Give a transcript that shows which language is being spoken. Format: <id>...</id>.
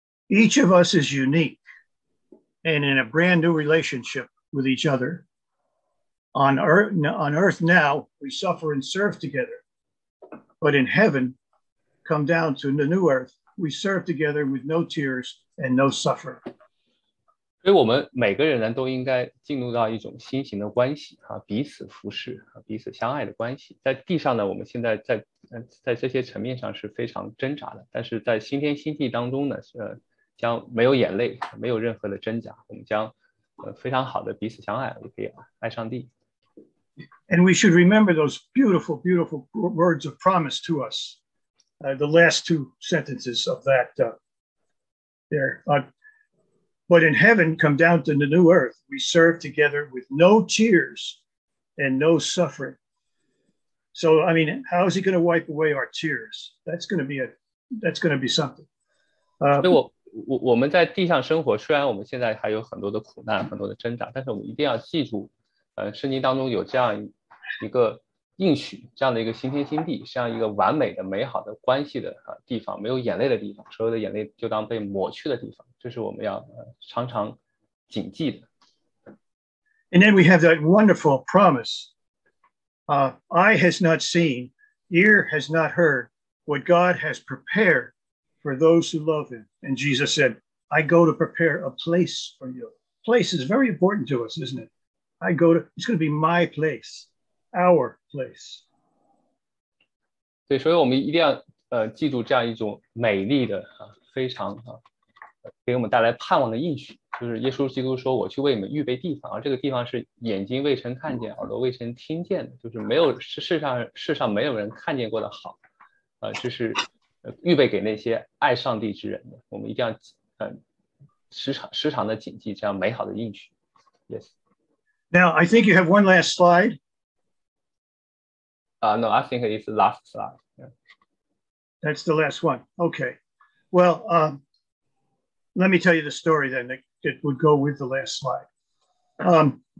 <en>Each of us is unique and in a brand new relationship with each other. On earth now, we suffer and serve together. But in heaven, come down to the new earth, we serve together with no tears and no suffering.</en> <zh>所以我们每个人呢都应该进入到一种新型的关系啊，彼此服侍啊，彼此相爱的关系。在地上呢，我们现在在这些层面上是非常挣扎的，但是在新天新地当中呢，将没有眼泪，没有任何的真假，我们将非常好的彼此相爱，我们可以爱上帝。</zh> <en>And we should remember those beautiful, beautiful words of promise to us. The last two sentences of that there. But in heaven, come down to the new earth, we serve together with no tears and no suffering. So, I mean, how is he going to wipe away our tears? That's going to be something.</en> <zh>我们在地上生活，虽然我们现在还有很多的苦难，很多的挣扎，但是我们一定要记住，圣经当中有这样一个应许，这样的一个新天新地，这样一个完美的、美好的关系的地方，没有眼泪的地方，所有的眼泪就当被抹去的地方，这是我们要常常谨记的。</zh> <en>And then we have that wonderful promise Eye has not seen, ear has not heard what God has prepared for those who love him. And Jesus said, I go to prepare a place for you. Place is very important to us, isn't it? It's going to be my place, our place.</en> <zh>对，所以我们一定要记住这样一种美丽的啊，非常啊，给我们带来盼望的应许，就是耶稣基督说：“我去为你们预备地方，而这个地方是眼睛未曾看见，耳朵未曾听见的，就是没有世上没有人看见过的好，这是预备给那些爱上帝之人的。我们一定要时常的谨记这样美好的应许。</zh> <en>Yes. Now I think you have one last slide. No, I think it's the last slide. Yeah. That's the last one. Okay. Well, let me tell you the story then that would go with the last slide.</en>